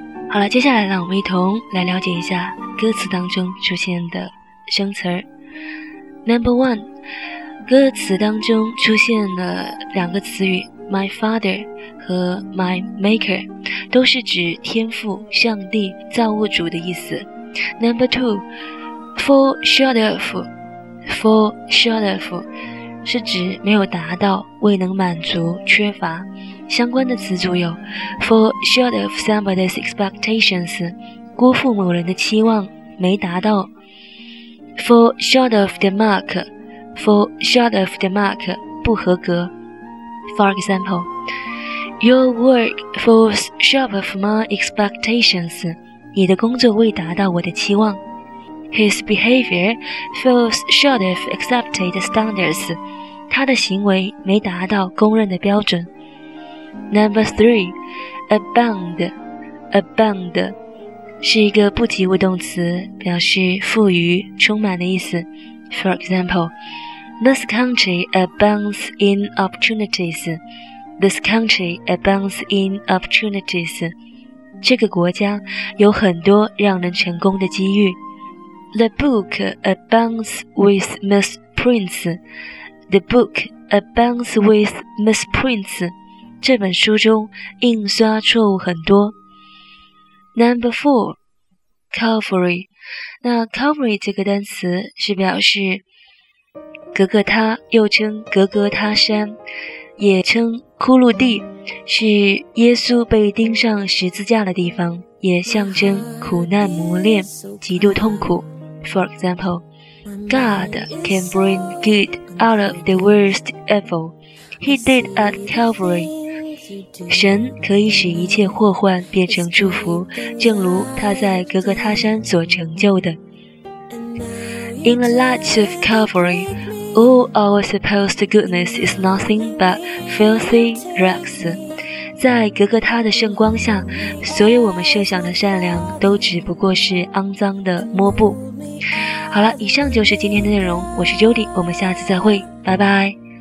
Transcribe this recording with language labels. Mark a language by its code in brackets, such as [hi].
[zh] 好了，接下来让我们一同来了解一下歌词当中出现的生词儿。 [en] Number one， [zh] 歌词当中出现了两个词语 My Father 和 My Maker， 都是指天父、上帝、造物主的意思。 [en] Number two， Fall short of， Fall short of [zh] 是指没有达到、未能满足、缺乏。相关的词组有 [en] Fall short of somebody's expectations， [zh] 辜负某人的期望，没达到。 [en] Fall short of the mark， Fall short of the mark， [zh] 不合格。 [en] For example， Your work falls short of my expectations， [zh] 你的工作未达到我的期望。 [en] His behavior falls short of accepted standards， [zh] 他的行为没达到公认的标准。 [en] Number three， [zh] Abound， Abound是一个不及物动词，表示富余、充满的意思。 [en] For example, This country abounds in opportunities. This country abounds in opportunities. [zh] 这个国家有很多让人成功的机遇。 [en] The book abounds with misprints. The book abounds with misprints. [zh] 这本书中印刷错误很多。 [en] Number four, [zh] Calvary， 那 Calvary 这个单词是表示格格他，又称格格他山，也称骷髅地，是耶稣被钉上十字架的地方，也象征苦难磨练，极度痛苦。 [en] For example， God can bring good out of the worst evil He did at Calvary。 [zh] 神可以使一切祸患变成祝福，正如他在格格他山所成就的。 [en] In the light of Calvary, all our supposed goodness is nothing but filthy rags. [zh] 在格格他的圣光下，所有我们设想的善良都只不过是肮脏的抹布。好了，以上就是今天的内容，我是 Judy， 我们下次再会，拜拜。